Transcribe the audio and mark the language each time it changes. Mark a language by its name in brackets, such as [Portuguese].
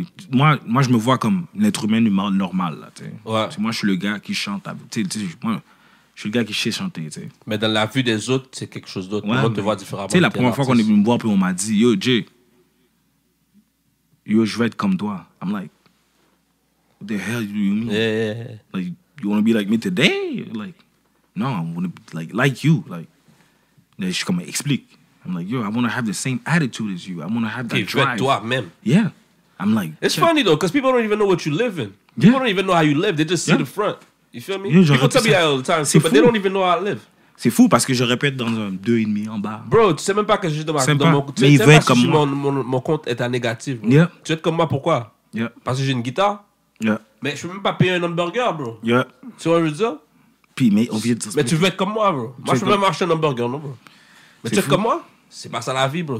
[French] Moi, je me vois comme l'être humain normal. Normal là, moi, je suis le gars qui chante. Moi, je suis le gars qui sait chanter. T'sais. Mais dans la vue des autres, c'est quelque chose d'autre. On te voit différemment. La première fois qu'on est venu me voir, puis on m'a dit, yo, Jay, yo, je vais être comme toi. [English] I'm like, what the hell do you mean? Yeah. Like, you want to be like me today? Like, no, I want to be like you. Like, [French] je suis comme, explique. [English] I'm like, yo, I want to have the same attitude as you. I want to have that drive. [French] Toi-même. [English] Yeah. I'm like, it's funny though, because people don't even know what you live in. People don't even know how you live. They just see the front. You feel me? People tell me that all the time, but they don't even know how I live. [French] C'est fou parce que je répète dans un 2,5 en bas. Bro, tu sais même pas que je suis dans mon compte est à négatif. [English] Yeah. [French] Tu veux être comme moi, pourquoi? [English] Yeah. [French] Parce que j'ai une guitare. [English] Yeah. [French] Mais je peux même pas payer un hamburger, bro. [English] Yeah. [French] Tu vois ce que je veux dire? Puis, mais on vient de dire. Mais tu veux être comme moi, bro. Moi, je peux même acheter un hamburger, non, bro. Mais tu es comme moi? C'est pas ça la vie, bro.